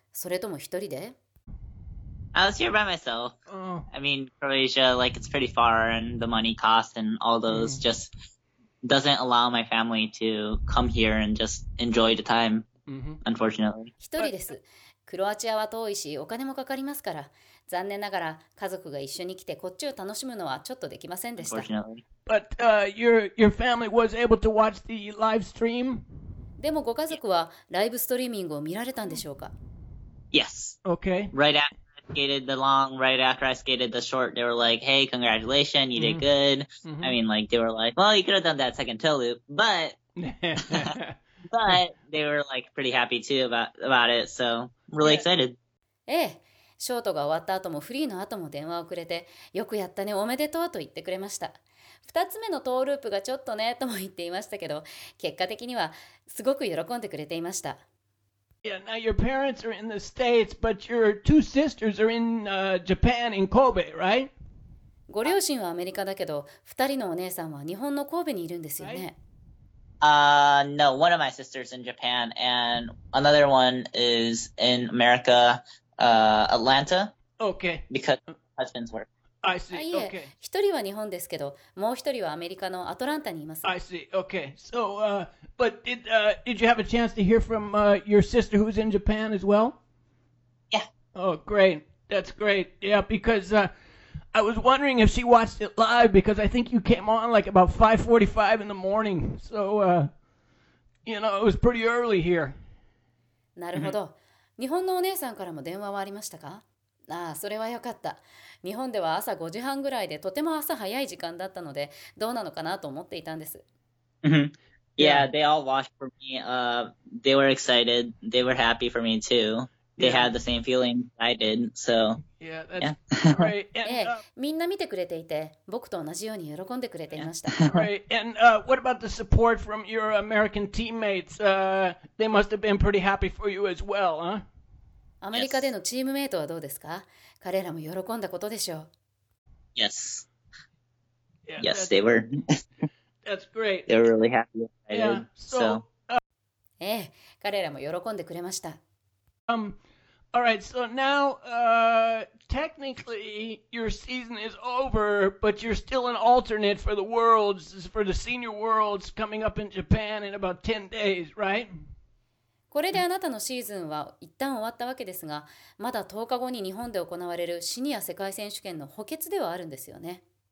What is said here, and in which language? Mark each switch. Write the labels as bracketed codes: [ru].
[ja] それとも一人で？ [en] I was here by myself. I mean, Croatia, like, it's pretty far, and the money cost and all those just... doesn't allow my family to come here and just enjoy the time, unfortunately. [ja] 一人です。クロアチアは遠いし、お金もかかりますから。残念ながら、家族が一緒に来て、こっちを楽しむのはちょっとできませんでした。 [en] But your family was able to watch the live stream? [ja] でもご家族はライブストリーミングを見られたんでしょうか? [en] Yes. Okay. Right after I skated the long, right after I skated the short, they were like, hey, congratulations, you did good. I mean, like, they were like, well, you could have done that second toe loop, but, but they were like pretty happy too about it, so really excited. [ja] ええ、ショートが終わった後もフリーの後も電話をくれて、よくやったね、おめでとうと言ってくれました。二つ目のトーループがちょっとね、とも言っていましたけど、結果的にはすごく喜んでくれていました。 [en] Yeah, now your parents are in the States, but your two sisters are in Japan, in Kobe, right? [ja] ご両親はアメリカだけど、二人のお姉さんは日本の神戸にいるんですよね。 [en] No, one of my sisters in Japan, and another one is in America, Atlanta. Okay. Because husband's work. I see, okay. [ja] 一人は日本ですけど、もう一人はアメリカのアトランタにいます。 [en] I see, okay. So, but did you have a chance to hear from your sister who's in Japan as well? Yeah. Oh, great. That's great. Yeah, because I was wondering if she watched it live, because I think you came on like about 5:45 in the morning. So, you know, it was pretty early here. [ja] なるほど。日本のお姉さんからも電話はありましたか？ああ、それはよかった。日本では朝5時半ぐらいでとても朝早い時間だったので、どうなのかなと思っていたんです。 [en] Yeah, they all watched for me. They were excited. They were happy for me too. They had the same feeling I did, so... Yeah, that's great. [ja] ええ、みんな見てくれていて、僕と同じように喜んでくれていました。 [en] Right. And what about the support from your American teammates? They must have been pretty happy for you as well, huh? [ja] アメリカでのチームメイトはどうですか？ [en] Yes. [ja] 彼らも喜んだことでしょう。 [en] Yes. Yeah, yes, they were. That's great. They were really happy. Yeah, so. [ja] ええ、彼らも喜んでくれました。 [en] All right, so now, technically, your season is over, but you're still an alternate for the worlds, for the senior worlds coming up in Japan in about 10 days, right? [ja] これであなたのシーズンは一旦終わったわけですが、まだ10日後に日本で行われるシニア世界選手権の補欠ではあるんですよね。